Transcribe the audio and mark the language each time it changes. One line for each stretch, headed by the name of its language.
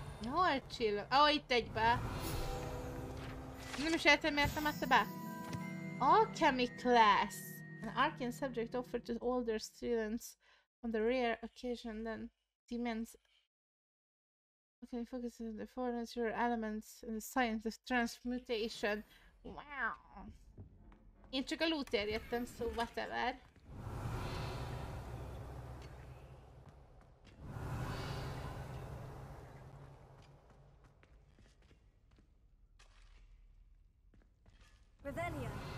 Hungarian: Hol csillog? Ó, itt egy be. Nem is értem, miért nem adta be.
English: Alchemy class. An arcane subject offered to older students on the rare occasion then demands. Okay, focus on the four natural elements and the science of transmutation. Wow.
Hungarian: Én csak a lootér jöttem,
English: so whatever. Revenia.